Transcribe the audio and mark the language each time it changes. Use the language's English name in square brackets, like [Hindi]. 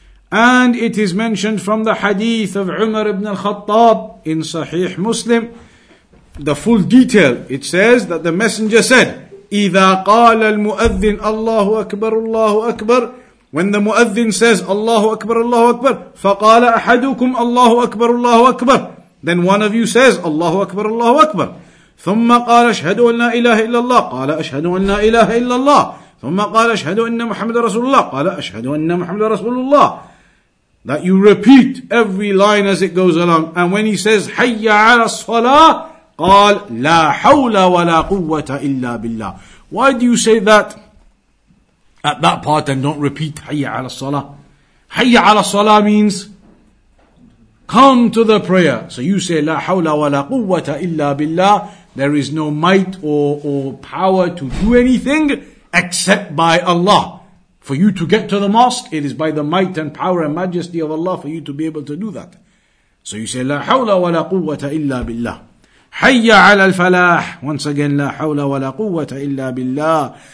[English] And it is mentioned from the hadith of Umar ibn al-Khattab in Sahih Muslim, the full detail. It says that the messenger said, [Arabic] إِذَا قَالَ الْمُؤَذِّنُ اللَّهُ أَكْبَرُ [English] اللَّهُ أَكْبَرُ. When the muadhin says, Allahu Akbar, Allahu Akbar, [Arabic] فَقَالَ أَحَدُكُمْ اللَّهُ أَكْبَرُ اللَّهُ أَكْبَرُ. [English] Then one of you says, Allahu Akbar, Allahu Akbar. [Arabic] ثم قال أشهد أن لا إله إلا الله قال أشهد أن لا إله إلا الله ثم قال أشهد أن محمد رسول الله قال أشهد أن محمد رسول الله. [English] That you repeat every line as it goes along. And when he says [Arabic] حي على الصلاة قال لا حول ولا قوة إلا بالله. [English] Why do you say that at that part and don't repeat [Arabic] حي على الصلاة? حي على الصلاة [English] means come to the prayer. So you say [Arabic] لا حول ولا قوة إلا بالله. [English] There is no might or power to do anything except by Allah. For you to get to the mosque, it is by the might and power and majesty of Allah for you to be able to do that. So you say, [Arabic] لا حول ولا قوة إلا بالله. حي على الفلاح. [English] Once again, [Arabic] لا حول ولا قوة إلا بالله.